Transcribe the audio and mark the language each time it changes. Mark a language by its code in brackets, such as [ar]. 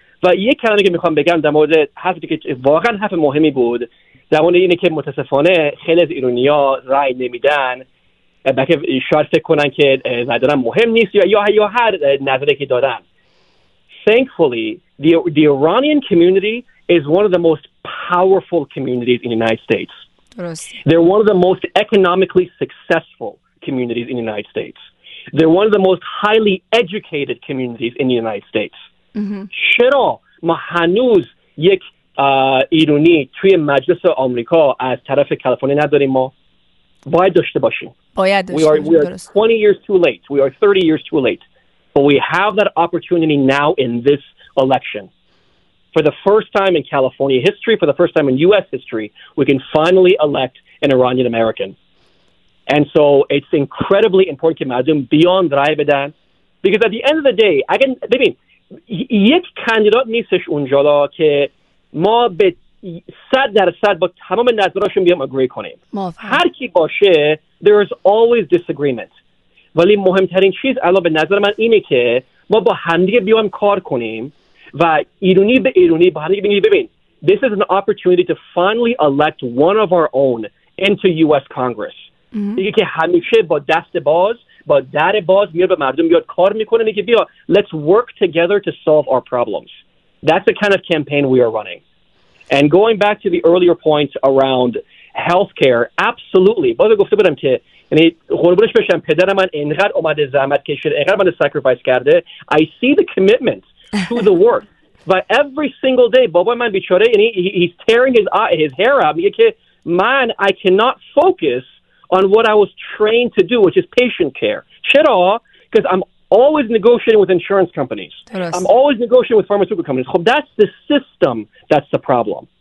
[fa] و یه کلمه که میخوام بگم در مورد حرفی که واقعا حرف مهمی بود، زمان اینه که متاسفانه خیلی از ایرانی ها رای نمیدن، بلکه شاید فکر کنن که ندارن مهم نیست یا هر نظری که دارن. [en] Thankfully, the Iranian community is one of the most powerful communities in the United States. They're one of the most economically successful communities in the United States. They're one of the most highly educated communities in the United States. [fa] چرا ما هنوز یک ایرانی توی مجلس آمریکا از طرف کالیفرنیا نداریم؟ ما باید داشته باشیم. [en] We are 20 years too late. We are 30 years too late. But we have that opportunity now in this election. For the first time in California history, for the first time in U.S. history, we can finally elect an Iranian American. And so it's incredibly important [fa] که مردم بیان رای بدن. [en] Because at the end of the day, [fa] یک کاندیدات نیستش اونجا که ما به 100% با تمام نظراشون بیام اگری کنیم. هر کی باشه [en] there is always disagreement. [fa] ولی مهمترین چیز الان به نظر من اینه که ما با همدیگه بیام کار کنیم و ایرانی به ایرانی با همدیگه بگیم ببین [en] this is an opportunity to finally elect one of our own into US Congress. [fa] دیگه که همیشه با دست باز، با در باز میاد به مردم میاد کار میکنه، میگه بیا [en] let's work together to solve our problems. That's the kind of campaign we are running. And going back to the earlier points around healthcare, absolutely. [fa] باز گفته بودم که یعنی قربونش بشم پدر من اینقدر اومده زحمت کشیده اینقدر من ساکریفایس کرده [en] I see the commitment to the work but every single day [fa] بابا من بیچاره یعنی [en] he's tearing his hair out [fa] میگه که من [en] I cannot focus on what I was trained to do which is patient care چرا؟ Because I'm always negotiating with insurance companies I'm always negotiating with pharmaceutical companies خب that's the system that's the problem